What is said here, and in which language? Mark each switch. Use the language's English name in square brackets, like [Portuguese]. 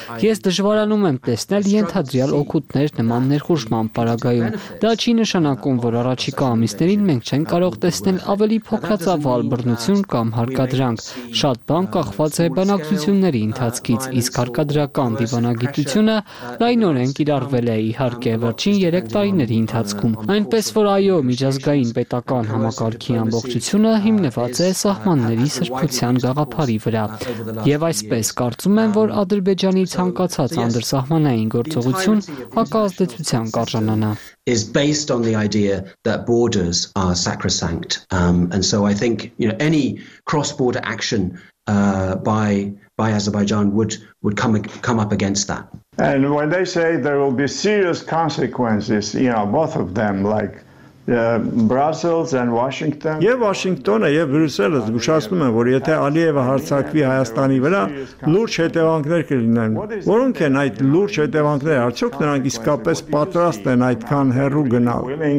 [Armenian] Ես դժվարանում եմ տեսնել ենթադրյալ օգուտներ նման ներխուժման պարագայում։ Դա չի նշանակում, որ առաջիկա ամիսներին մենք չենք կարող տեսնել ավելի փոքրացավալ բռնություն կամ հարկադրանք։ Շատ բան կախված է բանակցությունների ընթացքից, իսկ հարկադրական դիվանագիտությունը լայնորեն կիրառվել է իհարկե վերջին 3 տարիների ընթացքում։ Այնպես որ այո, միջազգային պետական համակարգի ամբողջությունը ընդունելությունը հիմնված է սահմանների սրբության գաղափարի վրա։ Եվ այսպես կարծում եմ, որ Ադրբեջանի ցանկացած անդրսահմանային գործողություն ակազդեցության կարժանանա։ [English] Is based on the idea that borders are sacrosanct. And so I think, you know, any cross-border action by Azerbaijan would come up against that. And when they say there will be serious consequences, you know, both of them, like Brussels and Washington. [Armenian] Եվ Վաշինգտոնը եւ Բրյուսելը զգուշացնում են, որ եթե Ալիևը հարձակվի Հայաստանի վրա, լուրջ հետևանքներ կլինեն։ Որոնք են այդ լուրջ հետևանքները, արդյոք նրանք իսկապես պատրաստ են այդքան հեռու գնալ։